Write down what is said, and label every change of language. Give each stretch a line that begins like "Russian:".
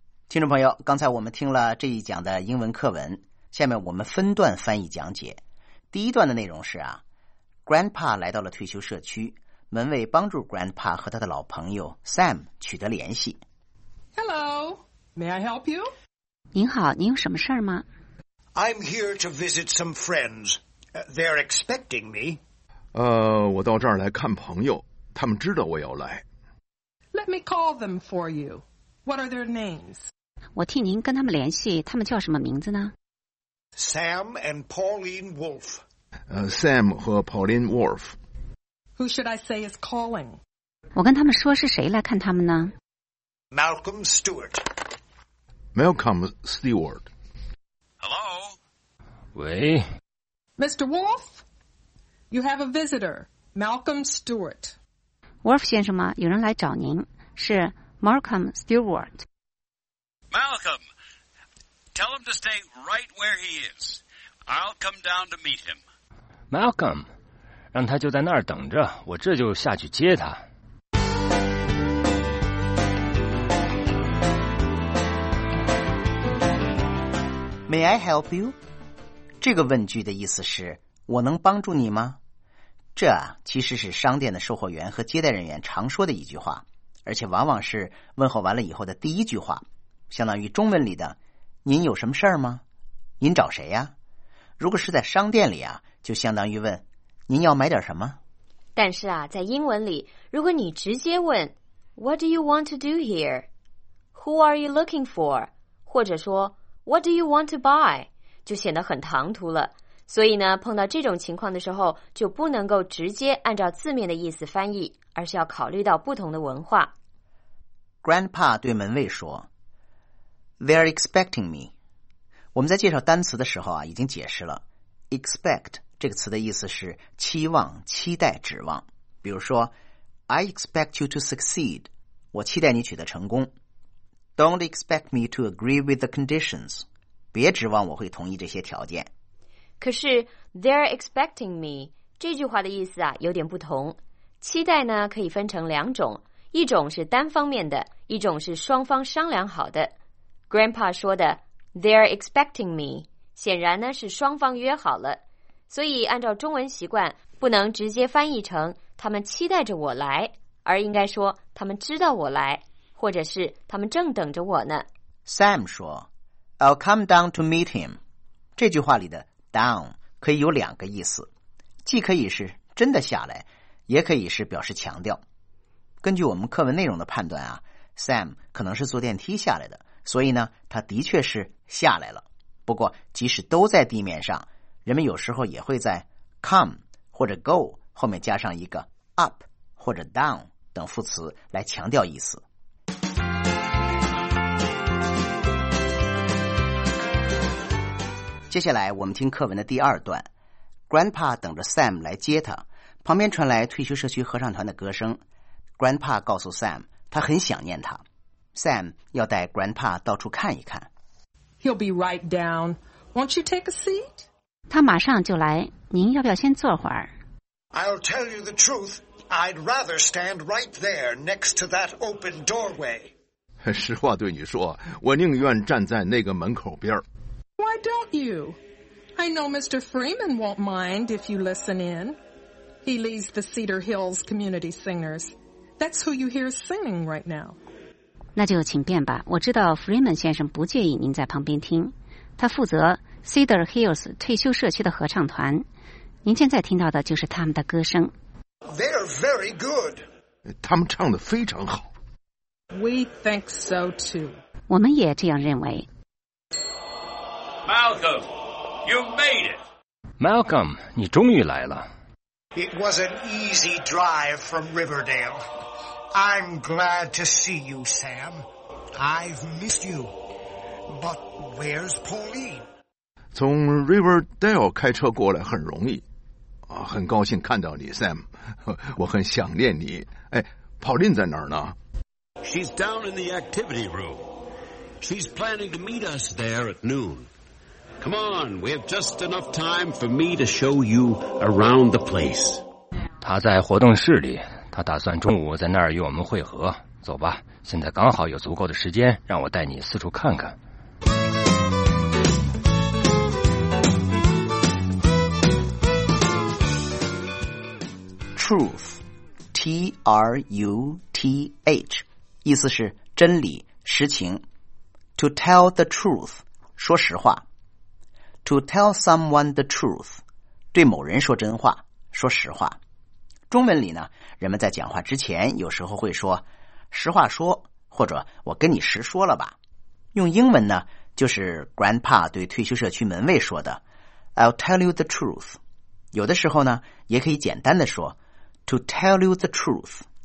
Chinese: 听众朋友，刚才我们听了这一讲的英文课文，下面我们分段翻译讲解。第一段的内容是啊， Grandpa 来到了退休社区，门卫帮助 Grandpa 和他的老朋友 Sam 取得联系。
English: Hello, may I help you?
Chinese: 您好，您有什么事儿吗？
English: I'm here to visit some friends. They're expecting me.
Chinese: 我到这儿来看朋友，他们知道我要来。
English: Let me call them for you. What are their names?
Chinese: 我替您跟他们联系，他们叫什么名字呢？
English: Sam and Pauline Wolf.
Chinese: Sam 和 Pauline Wolf.
English: Who should I say is calling?
Chinese: 我跟他们说是谁来看他们呢？
English: Malcolm Stewart. Malcolm Stewart. Hello?
Chinese: 喂
English: Mr. Wolf, you have a visitor, Malcolm Stewart.
Chinese: Wolf 先生吗？有人来找您，是 Malcolm Stewart.
English: Malcolm, tell him to stay right where he is. I'll come down to meet him.
Chinese: Malcolm, 让他就在那儿等着，我这就下去接他。
English: May I help you?
Chinese: 这个问句的意思是，我能帮助你吗？这其实是商店的售货员和接待人员常说的一句话，而且往往是问候完了以后的第一句话，相当于中文里的，您有什么事儿吗？您找谁呀？如果是在商店里啊，就相当于问，您要买点什么？但是啊，在英文里，如果你直接问
English: What do you want to do here? Who are you looking for?
Chinese: 或者说
English: What do you want to buy?
Chinese: 就显得很唐突了。所以呢，碰到这种情况的时候，就不能够直接按照字面的意思翻译，而是要考虑到不同的文化。 Grandpa 对门卫说
English: They're expecting me.
Chinese: 我们在介绍单词的时候啊，已经解释了 Expect 这个词的意思是期望、期待、指望。比如说
English: I expect you to succeed.
Chinese: 我期待你取得成功。
English: Don't expect me to agree with the conditions.
Chinese: 别指望我会同意这些条件。可是
English: they're expecting me
Chinese: 这句话的意思啊有点不同。期待呢可以分成两种，一种是单方面的，一种是双方商量好的。 Grandpa 说的
English: they're expecting me
Chinese: 显然呢是双方约好了，所以按照中文习惯不能直接翻译成他们期待着我来，而应该说他们知道我来。或者是他们正等着我呢。 Sam 说
English: I'll come down to meet him.
Chinese: 这句话里的 down 可以有两个意思，既可以是真的下来，也可以是表示强调。根据我们课文内容的判断啊， Sam 可能是坐电梯下来的，所以呢他的确是下来了。不过即使都在地面上，人们有时候也会在 come 或者 go 后面加上一个 up 或者 down 等副词来强调意思。接下来我们听课文的第二段， Grandpa 等着 Sam 来接他，旁边传来退休社区合唱团的歌声。 Grandpa 告诉 Sam 他很想念他， Sam 要带 Grandpa 到处看一看。
English: He'll be right down. Won't you take a seat?
Chinese: 他马上就来，您要不要先坐会儿？
English: I'll tell you the truth. I'd rather stand right there next to that open doorway.
Chinese: 实话对你说，我宁愿站在那个门口边。
English: Why don't you? I know Mr. Freeman won't mind if you listen in. He leads the Cedar Hills Community Singers. That's who you hear singing right now.
Chinese: 那就请便吧。我知道 Freeman 先生不介意您在旁边听。他负责 Cedar Hills 退休社区的合唱团。您现在听到的就是他们的歌声。
English: They're very good.
Chinese: 他们唱得非常好。
English: We think so too.
Chinese: 我们也这样认为。
English: Malcolm, you made it.
Chinese: Malcolm, 你终于来了。
English: It was an easy drive from Riverdale. I'm glad to see you, Sam. I've missed you. But where's Pauline?
Chinese: 从 Riverdale 开车过来很容易。很高兴看到你 Sam， 我很想念你。哎，跑林在哪儿呢？
English: She's down in the activity room. She's planning to meet us there at noon. Come on, we have just enough time for me to show you around the place.
Chinese: 她在活动室里，她打算中午在那儿与我们会合。走吧，现在刚好有足够的时间让我带你四处看看。 Truth, T-R-U-T-H, 意思是真理、实情。
English: To tell the truth,
Chinese: 说实话。
English: To tell someone the truth,
Chinese: 对某人说真话、说实话。中文里呢，人们在讲话之前有时候会说实话说，或者我跟你实说了吧。用英文呢，就是 Grandpa 对退休社区门卫说的
English: I'll tell you the truth。
Chinese: 有的时候呢，也可以简单的说
English: To tell you the truth.